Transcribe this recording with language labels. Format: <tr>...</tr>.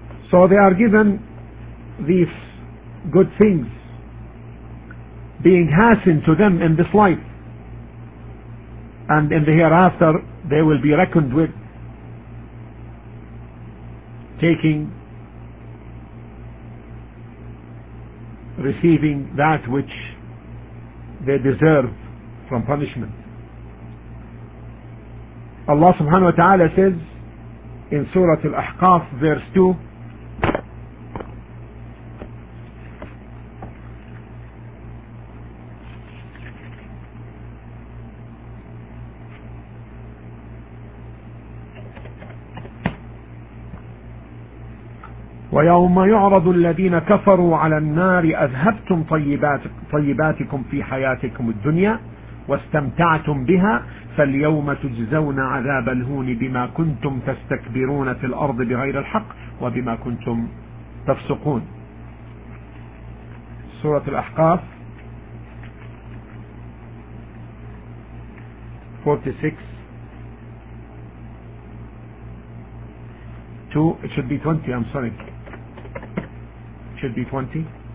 <en>So they are given these good things being hastened to them in this life, and in the hereafter they will be reckoned with, taking, receiving that which they deserve from punishment. Allah subhanahu wa ta'ala says in Surah Al-Ahqaf verse 2,</en> <ar>ويوم يعرض الذين كفروا على النار أذهبتم طيباتكم في حياتكم الدنيا واستمتعتم بها فاليوم تجزون عذاب الهون بما كنتم تستكبرون في الأرض بغير الحق وبما كنتم تفسقون. سورة الأحقاف</ar> <en>46 2, it should be 20, I'm sorry. Should be 20.</en>